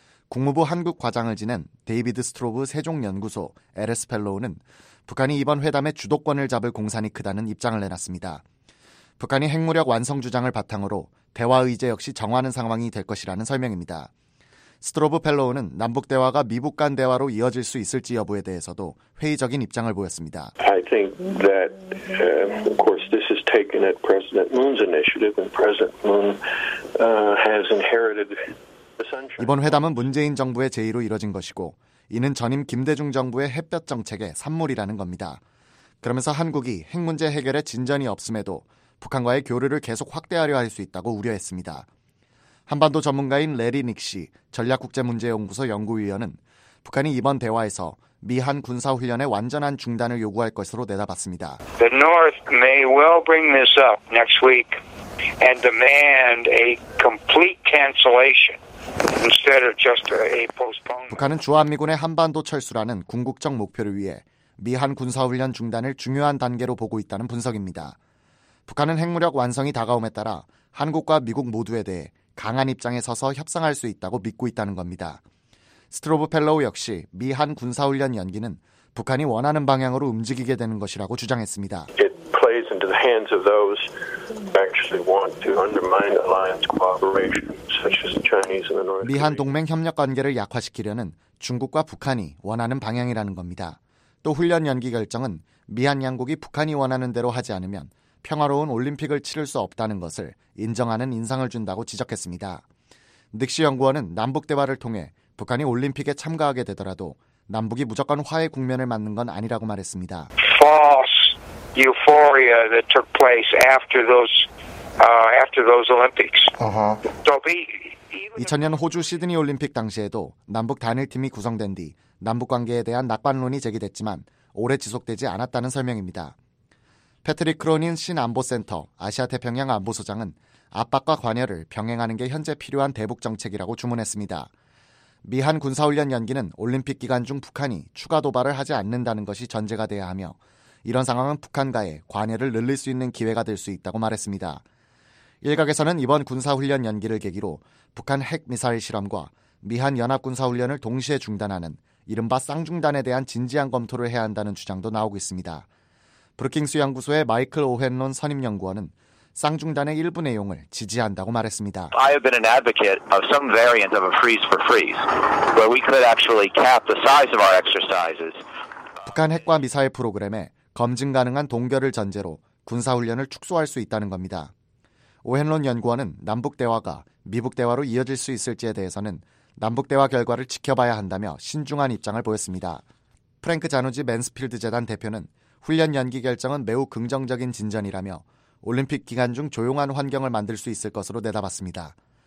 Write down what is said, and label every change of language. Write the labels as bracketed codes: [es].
[ko] 국무부 한국 과장을 지낸 데이비드 스트로브 세종연구소 LS 펠로우는 북한이 이번 회담의 주도권을 잡을 공산이 크다는 입장을 내놨습니다. 북한이 핵무력 완성 주장을 바탕으로 대화 의제 역시 정하는 상황이 될 것이라는 설명입니다. 스트로브 펠로우는 남북 대화가 미북 간 대화로 이어질 수 있을지 여부에 대해서도 회의적인 입장을 보였습니다. [en] I think that of course this is taken at President Moon's initiative and President Moon has inherited the sunshine. [ko] 이번 회담은 문재인 정부의 제의로 이뤄진 것이고 이는 전임 김대중 정부의 햇볕 정책의 산물이라는 겁니다. 그러면서 한국이 핵 문제 해결에 진전이 없음에도 북한과의 교류를 계속 확대하려 할 수 있다고 우려했습니다. 한반도 전문가인 레리 닉시 전략국제문제연구소 연구위원은 북한이 이번 대화에서 미한 군사훈련의 완전한 중단을 요구할 것으로 내다봤습니다. [en] The North may well bring this up next week and demand a complete cancellation instead of just a postponement. [ko] 북한은 주한미군의 한반도 철수라는 궁극적 목표를 위해 미한 군사훈련 중단을 중요한 단계로 보고 있다는 분석입니다. 북한은 핵무력 완성이 다가옴에 따라 한국과 미국 모두에 대해 강한 입장에 서서 협상할 수 있다고 믿고 있다는 겁니다. 스트로브 펠로우 역시 미한 군사훈련 연기는 북한이 원하는 방향으로 움직이게 되는 것이라고 주장했습니다. [en] It plays into the hands of those who actually want to undermine alliance cooperation, such as the Chinese and the North. [ko] 미한 동맹 협력 관계를 약화시키려는 중국과 북한이 원하는 방향이라는 겁니다. 또 훈련 연기 결정은 미한 양국이 북한이 원하는 대로 하지 않으면 평화로운 올림픽을 치를 수 없다는 것을 인정하는 인상을 준다고 지적했습니다. 닉시 연구원은 남북 대화를 통해 북한이 올림픽에 참가하게 되더라도 남북이 무조건 화해 국면을 맞는 건 아니라고 말했습니다. [en] False euphoria that took place after those Olympics. Uh-huh. [ko] 2000년 호주 시드니 올림픽 당시에도 남북 단일팀이 구성된 뒤 남북 관계에 대한 낙관론이 제기됐지만 오래 지속되지 않았다는 설명입니다. 패트릭 크로닌 신안보센터 아시아태평양 안보소장은 압박과 관여를 병행하는 게 현재 필요한 대북정책이라고 주문했습니다. 미한 군사훈련 연기는 올림픽 기간 중 북한이 추가 도발을 하지 않는다는 것이 전제가 돼야 하며 이런 상황은 북한과의 관여를 늘릴 수 있는 기회가 될 수 있다고 말했습니다. 일각에서는 이번 군사훈련 연기를 계기로 북한 핵미사일 실험과 미한 연합군사훈련을 동시에 중단하는 이른바 쌍중단에 대한 진지한 검토를 해야 한다는 주장도 나오고 있습니다. 브루킹스 연구소의 마이클 오헨론 선임 연구원은 쌍중단의 일부 내용을 지지한다고 말했습니다. [en] I have been an advocate of some variant of a freeze for freeze, where we could actually cap the size of our exercises. [ko] 북한 핵과 미사일 프로그램에 검증 가능한 동결을 전제로 군사 훈련을 축소할 수 있다는 겁니다. 오헨론 연구원은 남북 대화가 미북 대화로 이어질 수 있을지에 대해서는 남북 대화 결과를 지켜봐야 한다며 신중한 입장을 보였습니다. 프랭크 자누지 맨스필드 재단 대표는 훈련 연기 결정은 매우 긍정적인 진전이라며 올림픽 기간 중 조용한 환경을 만들 수 있을 것으로 내다봤습니다.